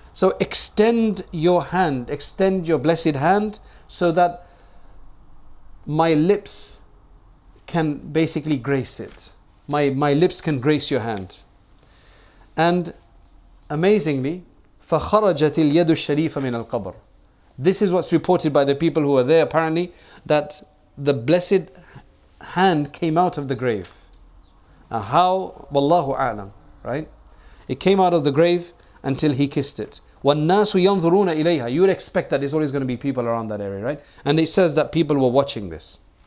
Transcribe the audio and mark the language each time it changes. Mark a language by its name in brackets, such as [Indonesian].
[English] So extend your hand, extend your blessed hand so that my lips can basically grace it. My lips can grace your hand. And amazingly, [Arabic] فَخَرَجَتِ الْيَدُ الشَّرِيفَ مِنَ الْقَبْرِ. [English] This is what's reported by the people who were there, apparently, that the blessed hand came out of the grave. Now how? [Arabic] وَاللَّهُ أَعْلَمُ. [English] Right? It came out of the grave until he kissed it. [Arabic] وَالنَّاسُ يَنْظُرُونَ إِلَيْهَا. [English] You would expect that there's always going to be people around that area, right? And it says that people were watching this.